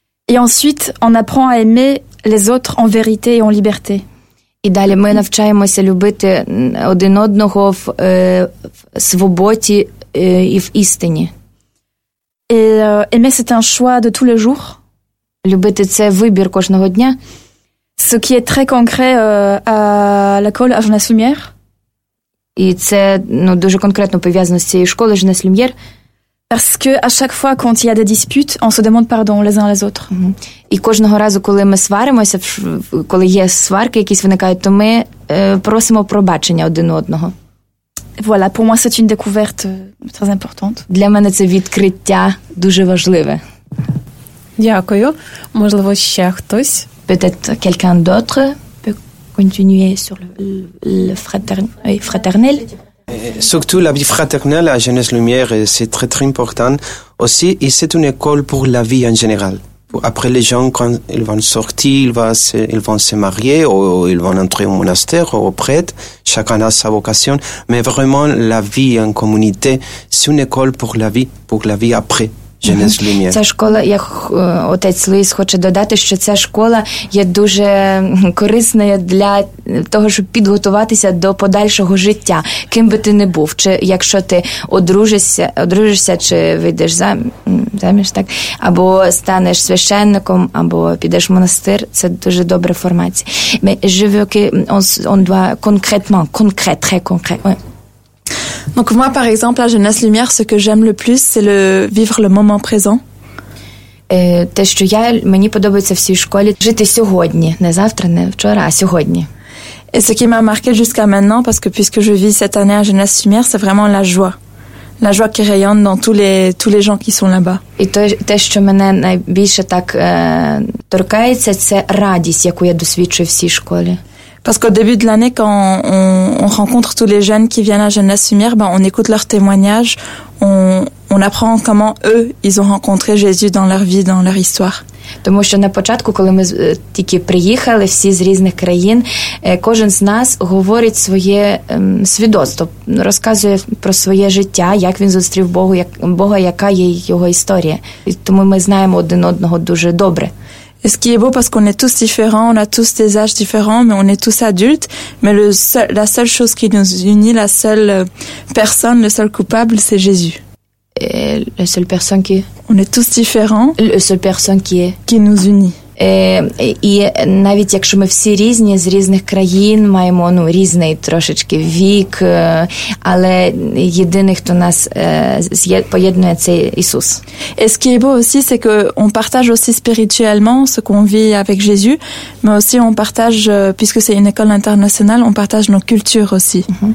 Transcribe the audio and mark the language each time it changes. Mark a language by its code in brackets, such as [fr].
[fr] Et ensuite, on apprend à aimer les autres en vérité et en liberté. [uk] І далі ми навчаємося любити один одного в свободі і в істині. [fr] Aimer, c'est un choix de tous les jours. [uk] Любити – це вибір кожного дня. [fr] Ce qui est très concret à l'école à Jeunesse Lumière. [uk] І це, ну, дуже конкретно пов'язано з цією школою Jeunesse Lumière. [fr] Parce que à chaque fois quand il y a des disputes, on se demande pardon les uns les autres. [uk] І кожного разу, коли ми сваримося, коли є сварки, якісь виникають, то ми просимо пробачення один одного. [fr] Voilà, pour moi c'est une découverte très importante. [uk] Для мене це відкриття дуже важливе. Дякую. Можливо, ще хтось? [fr] Peut-être quelqu'un d'autre peut continuer sur le fraternel. Surtout la vie fraternelle à Jeunesse Lumière, c'est très très important aussi, et c'est une école pour la vie en général. Après les gens, quand ils vont sortir, ils vont se marier, ou ils vont entrer au monastère, ou au prêtre, chacun a sa vocation, mais vraiment la vie en communauté, c'est une école pour la vie après. [uk] Ця школа, як отець Луїс хоче додати, що ця школа є дуже корисною для того, щоб підготуватися до подальшого життя, ким би ти не був, чи якщо ти одружишся, чи вийдеш заміж, так, або станеш священником, або підеш в монастир, це дуже добра формація. Ми живемо, ки он два конкретно, конкрет, [fr] très concret. Donc moi, par exemple, à Jeunesse Lumière, ce que j'aime le plus, c'est vivre le moment présent. [uk] Те, що я, мені подобається в цій школі, жити сьогодні, не завтра, не вчора, а сьогодні. [fr] Et ce qui m'a marqué jusqu'à maintenant, parce que puisque je vis cette année à Jeunesse Lumière, c'est vraiment la joie. La joie qui rayonne dans tous les gens qui sont là-bas. [uk] Et те, що мене найбільше так торкається, це радість, яку я досвідчую в цій школі. [fr] Parce qu'au début de l'année, quand on rencontre tous les jeunes qui viennent à Jeunesse Lumière, ben, on écoute leurs témoignages, on apprend comment eux, ils ont rencontré Jésus dans leur vie, dans leur histoire. [uk] Тому що на початку, коли ми тільки приїхали, всі з різних країн, кожен з нас говорить своє свідоцтво, розказує про своє життя, як він зустрів Бога, Бога, яка є його історія. І тому ми знаємо один одного дуже добре. [fr] Et ce qui est beau, parce qu'on est tous différents, on a tous des âges différents, mais on est tous adultes. Mais la seule chose qui nous unit, la seule personne, le seul coupable, c'est Jésus. Et la seule personne qui est... On est tous différents. La seule personne qui est... Qui nous unit. [uk] І навіть якщо ми всі різні з різних країн, маємо, ну, різний трошечки вік, але єдиний, хто нас поєднує, це Ісус. [fr] Et ce qui est beau aussi, c'est que on partage aussi spirituellement ce qu'on vit avec Jésus, mais aussi on partage, puisque c'est une école internationale, on partage nos cultures aussi.